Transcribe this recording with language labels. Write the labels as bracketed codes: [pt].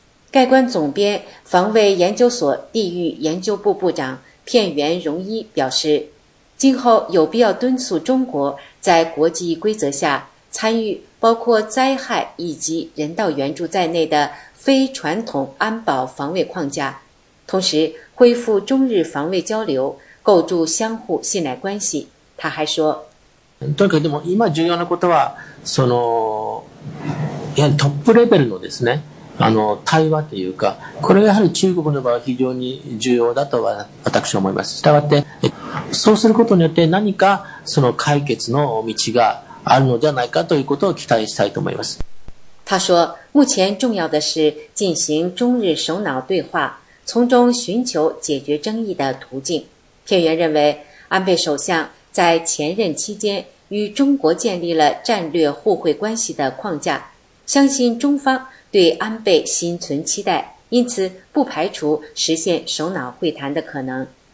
[zh] 概观总编、防卫研究所地域研究部部长片原荣一表示，今后有必要敦促中国在国际规则下参与包括灾害以及人道援助在内的非传统安保防卫框架，同时恢复中日防卫交流，构筑相互信赖关系。他还说， [ja] とにかくでも今重要なことはそのやトップレベルのですね対話というか、これはやはり中国の場合は非常に重要だとは私は思います。したがって、そうすることによって何かその解決の道があるのではないかということを期待したいと思います。 [zh] 他说，目前重要的是进行中日首脑对话，从中寻求解决争议的途径。片原认为，安倍首相在前任期间与中国建立了战略互惠关系的框架，相信中方对安倍心存期待，因此不排除实现首脑会谈的可能。